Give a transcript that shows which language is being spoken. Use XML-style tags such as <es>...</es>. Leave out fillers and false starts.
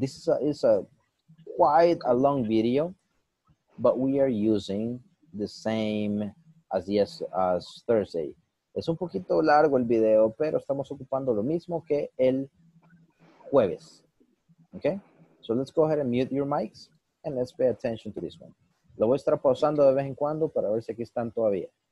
<en>This is a quite a long video, but we are using the same as Thursday.</en> <es>Es un poquito largo el video, pero estamos ocupando lo mismo que el jueves.</es> <en>Okay? So let's go ahead and mute your mics and let's pay attention to this one.</en> <es>Lo voy a estar pausando de vez en cuando para ver si aquí están todavía.</es>